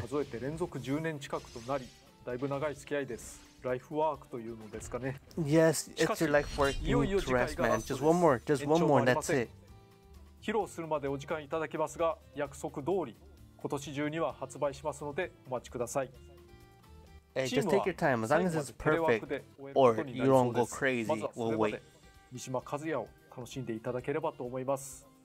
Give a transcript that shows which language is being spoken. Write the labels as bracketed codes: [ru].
[ja] 数えて連続10年近くとなり、だいぶ長い付き合いです。ライフワークというのですかね。 [en] Yes, it's your life work. You need to rest, man. Just one more, that's it. [ja] 披露するまでお時間いただきますが、約束通り今年中には発売しますのでお待ちください。 [en] Hey, just take your time. As long as it's perfect, or you don't go crazy, we'll wait. [ja] まずはそれまで三島和也を楽しんでいただければと思います。